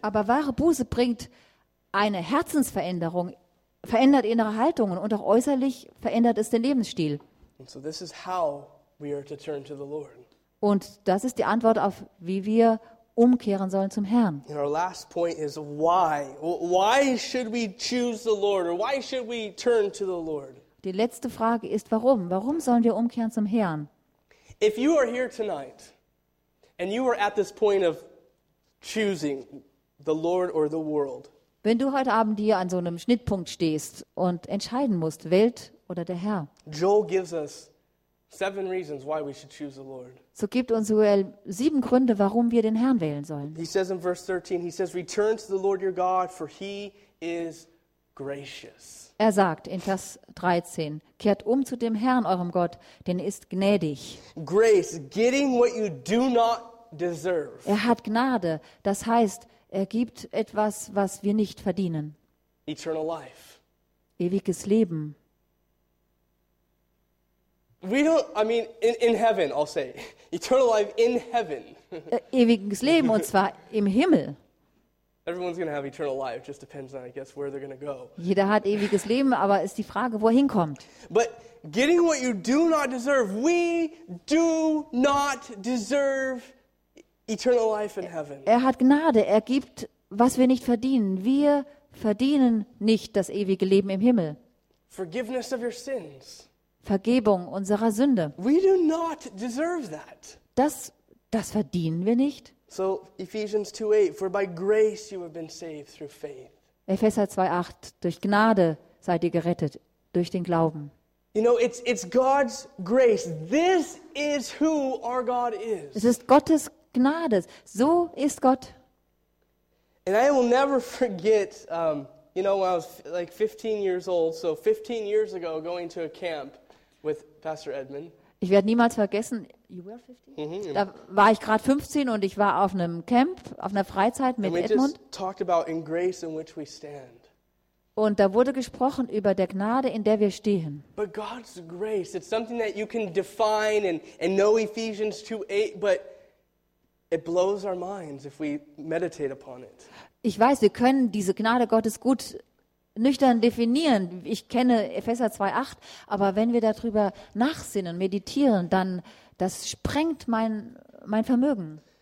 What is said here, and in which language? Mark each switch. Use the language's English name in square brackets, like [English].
[German] Aber wahre Buße bringt eine Herzensveränderung, verändert innere Haltungen und auch äußerlich verändert es den Lebensstil. [English] And so this is how we are to turn to the Lord. [German] Und das ist die Antwort auf, wie wir umkehren sollen zum Herrn. [English] And our last point is why. Why should we choose the Lord, or why should we turn to the Lord? [German] Die letzte Frage ist, warum? Warum sollen wir umkehren zum Herrn? [English] If you are here tonight and you are at this point of choosing the Lord or the world. [German] Wenn du heute Abend hier an so einem Schnittpunkt stehst und entscheiden musst, Welt oder der Herr. [English] Joel gives us Seven reasons why we should choose the Lord. [German] So gibt uns Joel 7 Gründe, warum wir den Herrn wählen sollen. [English] He says in verse 13, he says, return to the Lord your God, for he is gracious. [German] Er sagt in Vers 13, kehrt um zu dem Herrn, eurem Gott, denn er ist gnädig. [English] Grace, getting what you do not deserve. [German] Er hat Gnade, das heißt, er gibt etwas, was wir nicht verdienen. [English] Eternal life. [German] Ewiges Leben. [English] We don't, I mean, in heaven, I'll say. Eternal life in heaven. [German] Ewiges Leben, und zwar im Himmel. [English] Everyone's going to have eternal life, just depends on, I guess, where they're going to go. [German] Jeder hat ewiges Leben, aber ist die Frage, wohin kommt. [English] But getting what you do not deserve, we do not deserve eternal life in heaven. [German] Er hat Gnade, er gibt, was wir nicht verdienen. Wir verdienen nicht das ewige Leben im Himmel. [English] Forgiveness of your sins. [German] Vergebung unserer Sünde. [English] We do not deserve that. [German] Das verdienen wir nicht. [English] So Ephesians 2:8, for by grace you have been saved through faith. [German] Epheser 2:8, durch Gnade seid ihr gerettet durch den Glauben. [English] You know, it's God's grace. This is who our God is. [German] Es ist Gottes Gnade. So ist Gott. [English] And I will never forget you know, when I was like 15 years old, so 15 years ago going to a camp with Pastor Edmund. [German] Ich werde niemals vergessen, [English] you were 15? Mm-hmm. [German] Da war ich gerade 15 und ich war auf einem Camp, auf einer Freizeit mit Edmund. [English] Just talked about in grace in which we stand. [German] Und da wurde gesprochen über der Gnade, in der wir stehen. [English] But God's grace, it's something that you can define and know Ephesians 2:8, but it blows our minds if we meditate upon it. [German] Ich weiß, wir können diese Gnade Gottes gut nüchtern definieren. Ich kenne Epheser 2:8, aber wenn wir darüber nachsinnen, meditieren, dann das sprengt mein Vermögen.